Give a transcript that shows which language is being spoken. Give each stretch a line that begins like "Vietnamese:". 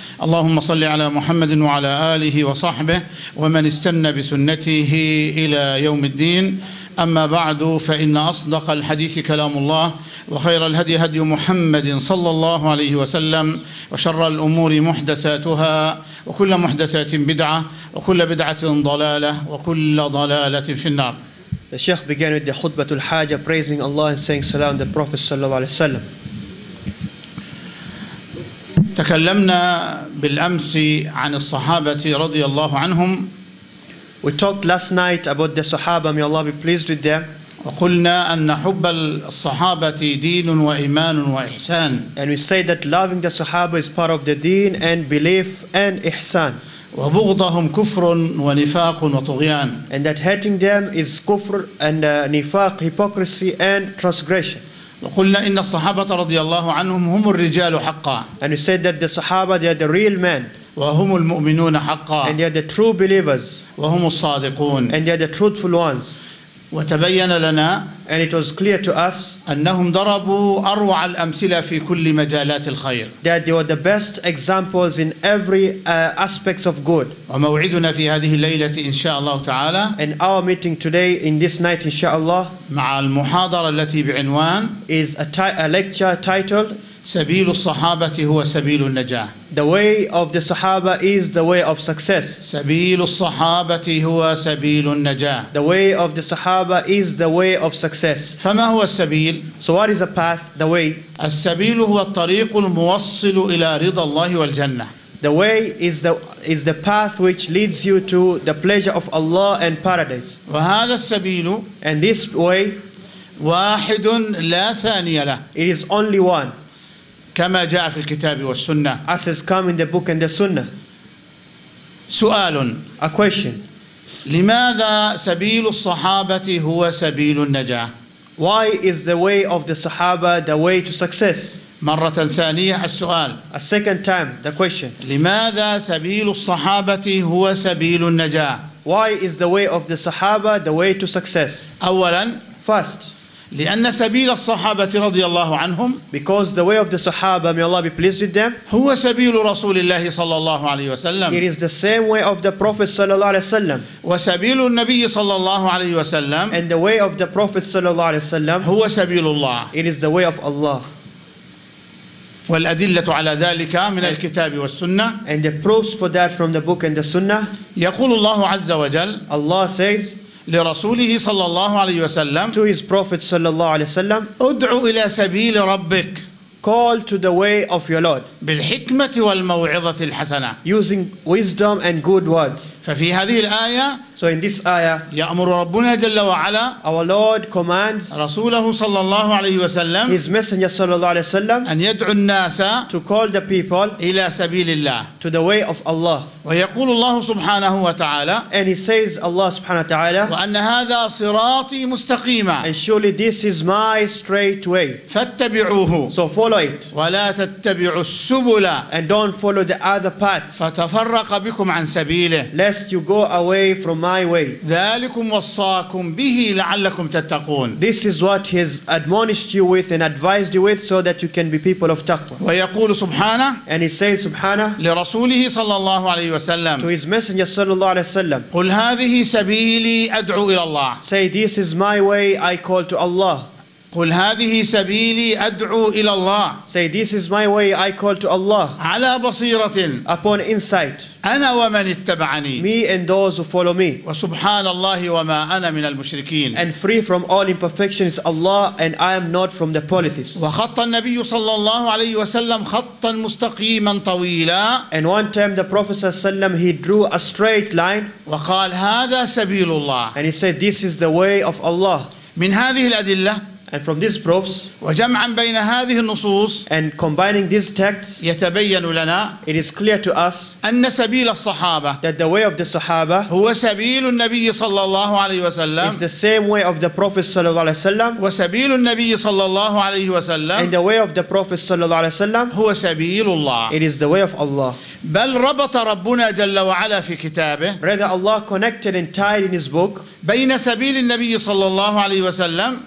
Arabic: اللهم صل على محمد وعلى آله وصحبه ومن استنى بسنته إلى يوم الدين. أما بعد، فإن أصدق الحديث كلام الله، وخير الهدي هدي محمد صلى الله عليه وسلم، وشر الأمور محدثاتها، وكل محدثات بدعة، وكل بدعة ضلالة، وكل ضلالة في النار.
English: The Sheikh began with the khutbah al-haja, praising Allah and saying salam the Prophet صلى الله عليه وسلم.
Arabic: تكلمنا بالأمس عن الصحابة رضي الله عنهم.
English: We talked last night about the Sahaba, may Allah be pleased with them.
Arabic: وقلنا أن حب الصحابة دين وإيمان وإحسان.
English: And we say that loving the Sahaba is part of the deen and belief and ihsan.
Arabic: وبغضهم كفر ونفاق وطغيان.
English: And that hating them is kufr and nifaq, hypocrisy and transgression.
Arabic: وقلنا إن الصحابة رضي الله عنهم هم الرجال حقا.
English: And we said that the Sahaba, they are the real men.
Arabic: وهم المؤمنون حقا.
English: And they are the true believers.
Arabic: وهم الصادقون.
English: And they are the truthful ones.
Arabic: وتبين لنا.
English: And it was clear to us.
Arabic: أنهم ضربوا أروع الأمثلة في كل مجالات الخير.
English: That they were the best examples in every aspects of good.
Arabic: وموعدنا في هذه الليلة إن شاء الله تعالى.
English: And our meeting today in this night إن شاء الله.
Arabic: مع المحاضرة التي بعنوان.
English: Is a lecture titled.
Arabic: سبيل الصحابة هو سبيل النجاح.
English: The way of the Sahaba is the way of success.
Arabic: سبيل الصحابة هو سبيل النجاح.
English: The way of the Sahaba is the way of success.
Arabic: فما هو السبيل؟
English: So what is the path, the way?
Arabic: السبيل هو الطريق الموصل إلى رضا الله والجنة.
English: The way is the path which leads you to the pleasure of Allah and paradise.
Arabic: وهذا السبيل.
English: And this way.
Arabic: واحد لا ثاني له.
English: It is only one.
Arabic: كما جاء في الكتاب والسنة.
English: As has come in the book and the sunnah.
Arabic: سؤال.
English: A question.
Arabic: لماذا سبيل الصحابة هو سبيل النجاة؟
English: Why is the way of the Sahaba the way to success?
Arabic: مرة ثانية السؤال.
English: A second time the question.
Arabic: لماذا سبيل الصحابة هو سبيل النجاة؟
English: Why is the way of the Sahaba the way to success?
Arabic: أولا.
English: First.
Arabic: لأن سبيل الصحابة رضي الله عنهم
English: because the way of the Sahaba may Allah be pleased with them
Arabic: هو سبيل رسول الله صلى الله عليه وسلم
English: it is the same way of the Prophet صلى الله عليه وسلم
Arabic: وسبيل النبي صلى الله عليه وسلم
English: and the way of the Prophet صلى الله عليه وسلم
Arabic: هو سبيل الله
English: it is the way of Allah
Arabic: والأدلة على ذلك من الكتاب والسنة
English: and the proofs for that from the book and the Sunnah
Arabic: يقول الله عز وجل
English: Allah says
Arabic: لرسوله صلى الله عليه وسلم
English: to his prophet صلى الله عليه وسلم
Arabic: ادعو إلى سبيل ربك
English: call to the way of your Lord
Arabic: بالحكمة والموعظة الحسنة
English: using wisdom and good words
Arabic: ففي هذه الآية
English: so in this ayah
Arabic: يأمر ربنا جل وعلا
English: our Lord commands
Arabic: رسوله صلى الله عليه وسلم
English: his messenger صلى الله عليه وسلم
Arabic: أن يدعو الناس
English: to call the people
Arabic: إلى سبيل الله
English: to the way of Allah
Arabic: ويقول الله سبحانه وتعالى
English: and he says Allah سبحانه وتعالى
Arabic: وأن هذا صراطي مستقيمة
English: and surely this is my straight way
Arabic: فاتبعوه
English: so follow it
Arabic: ولا تتبعوا السبل
English: and don't follow the other paths
Arabic: فتفرق بكم عن سبيله
English: lest you go away from my way
Arabic: ذلكم وصاكم به لعلكم تتقون
English: this is what he has admonished you with and advised you with so that you can be people of taqwa
Arabic: ويقول سبحانه
English: and he says سبحانه
Arabic: لرسوله صلى الله عليه وسلم
English: to his messenger صلى الله عليه وسلم
Arabic: قل هذه سبيلي أدعو إلى الله
English: say this is my way I call to Allah
Arabic: قل هذه سبيلي أدعو إلى الله
English: say this is my way I call to Allah
Arabic: على بصيرة
English: upon insight
Arabic: أنا ومن اتبعني
English: me and those who follow me
Arabic: وسبحان الله وما أنا من المشركين
English: and free from all imperfections Allah and I am not from the polytheists
Arabic: وخط النبي صلى الله عليه وسلم خطا مستقيما طويلا
English: and one time the Prophet صلى الله عليه وسلم he drew a straight line
Arabic: وقال هذا سبيل الله
English: and he said this is the way of Allah
Arabic: من هذه الأدلة
English: and from these proofs
Arabic: وجمعا بين هذه النصوص
English: and combining these texts
Arabic: يتبين لنا
English: it is clear to us
Arabic: أن سبيل الصحابة
English: that the way of the Sahaba
Arabic: هو سبيل النبي صلى الله عليه وسلم
English: is the same way of the Prophet صلى الله عليه وسلم
Arabic: وسبيل النبي صلى الله عليه وسلم
English: and the way of the Prophet صلى الله عليه وسلم
Arabic: هو سبيل الله
English: it is the way of Allah
Arabic: بل ربط ربنا جل وعلا في كتابه
English: rather Allah connected and tied in his book
Arabic: بين سبيل النبي صلى الله عليه وسلم